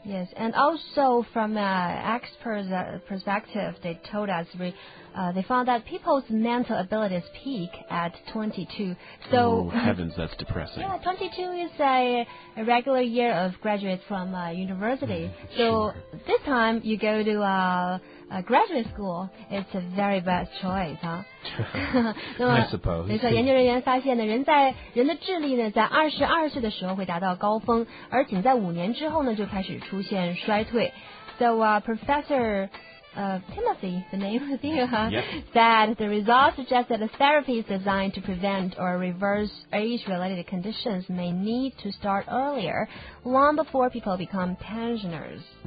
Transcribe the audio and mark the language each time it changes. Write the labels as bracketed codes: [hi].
[en] Yes, and also from an expert's perspective, they told us they found that people's mental abilities peak at 22. So, oh, heavens, that's depressing. Yeah, 22 is a regular year of graduates from university. Mm, so sure. This time you go to a graduate school, it's a very bad choice, huh? [zh] 那么 [en] I suppose. [zh] 没错，研究人员发现呢，人的智力呢，在22岁的时候会达到高峰，而仅在5年之后呢，就开始出现衰退。 [en] So, Professor Timothy, the name is here, huh? Yep. Said the results suggest that a therapy designed to prevent or reverse age-related conditions may need to start earlier, long before people become pensioners.